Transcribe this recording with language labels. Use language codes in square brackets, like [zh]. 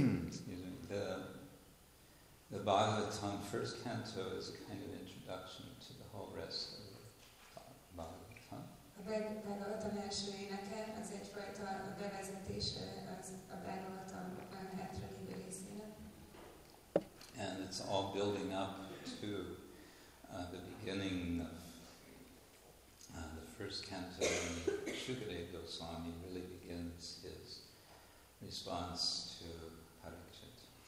[en] Excuse me. The Bhagavatam first canto is a kind of introduction to the whole rest of the Bhagavatam. [hu] A Bhagavatam első éneke, az egyfajta bevezetése az a Bhagavatam hetedik részének. [en] And it's all building up to the beginning of the first canto, when Shukadeva Goswami really begins his response to Parikshit.